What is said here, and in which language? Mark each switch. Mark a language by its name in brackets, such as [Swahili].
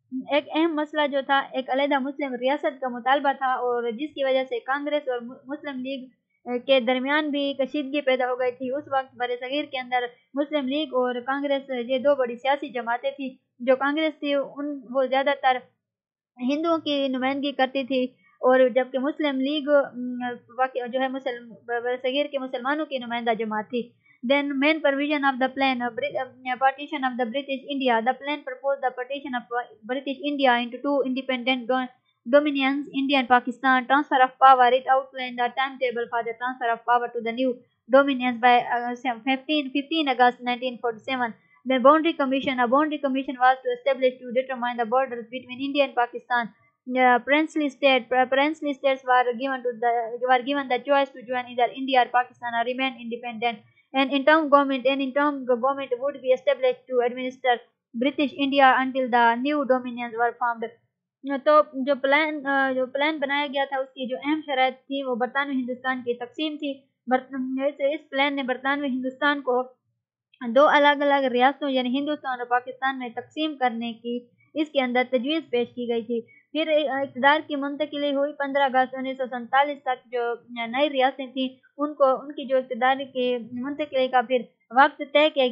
[Urdu] ایک اہم مسئلہ جو تھا ایک علیحدہ مسلم ریاست کا مطالبہ تھا اور جس کی وجہ سے کانگریس اور مسلم لیگ کے درمیان بھی کشیدگی پیدا ہو گئی تھی اس وقت برے صغیر کے اندر مسلم لیگ اور کانگریس یہ دو بڑی سیاسی جماعتیں تھیں جو کانگریس تھی ان وہ زیادہ تر ہندوؤں کی نمائندگی کرتی تھی اور جبکہ مسلم لیگ جو ہے مسلم برے صغیر کے مسلمانوں کی نمائندہ جماعت تھی [English] Then main provision of the plan of partition of the British India. The plan proposed the partition of British India into two independent dominions, India and Pakistan. Transfer of power. It outlined the timetable for the transfer of power to the new dominions by 15 August 1947. The boundary commission. A boundary commission was to establish to determine the borders between India and Pakistan. Princely states were given the choice to join either India or Pakistan or remain independent. An interim government would be established to administer British India until the new dominions were formed. [Urdu] تو جو plan بنایا گیا تھا اس کی جو اہم شرائط تھی وہ برطانوی ہندوستان کی تقسیم تھی اس پلان نے برطانوی ہندوستان کو دو الگ الگ ریاستوں یعنی ہندوستان اور پاکستان میں تقسیم کرنے کی اس کے اندر تجویز پیش کی گئی تھی پھر اقتدار کی منتقلی ہوئی 15 August 1947 تک جو نئی ریاستیں تھیں ان کو ان کی جو اقتدار کی منتقلی کا پھر وقت طے